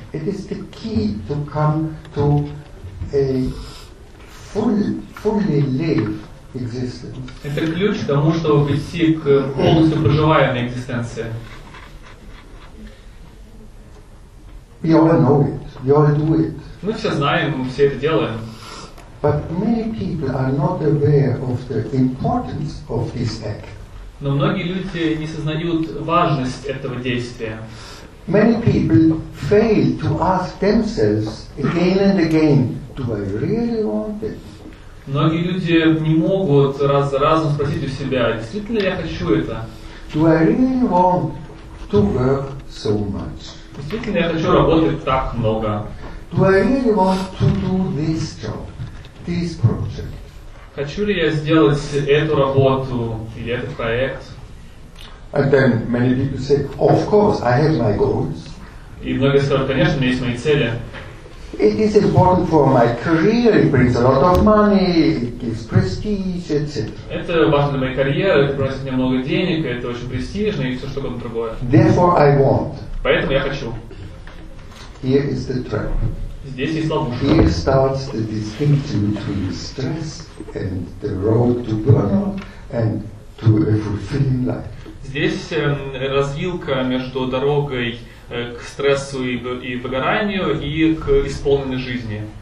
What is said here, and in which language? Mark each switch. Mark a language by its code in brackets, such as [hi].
[en] It is the key to come to a fully lived existence. [ru] Это ключ к тому, чтобы прийти к полностью проживаемой экзистенции. [en] We all know it. We all do it. [ru] Мы все знаем, мы все это делаем. [en] But many people are not aware of the importance of this act. [ru] Но многие люди не сознают важность этого действия. [en] Many people fail to ask themselves again and again, do I really want it? [ru] Многие люди не могут раз за разом спросить у себя, действительно ли я хочу это? [en] Do I really want to work so much? [ru] Действительно ли я хочу работать так много? [en] Do I really want to do this job, this project? [ru] Хочу ли я сделать эту работу или этот проект? [en] And then many people say, of course, I have my goals. [ru] И многие скажут, конечно, у меня есть мои цели. [en] It is important for my career, it brings a lot of money, it gives prestige, etc. [ru] Это важно для моей карьеры, это приносит мне много денег, это очень престижно и все что-то другое. [en] Therefore I want. [ru] Поэтому я хочу. [en] Here is the trap. [ru] Здесь есть ловушка. [en] Here starts the distinction between stress and the road to burnout and to a fulfilling life. [ru] Здесь развилка между дорогой к стрессу и выгоранию и к исполненной жизни.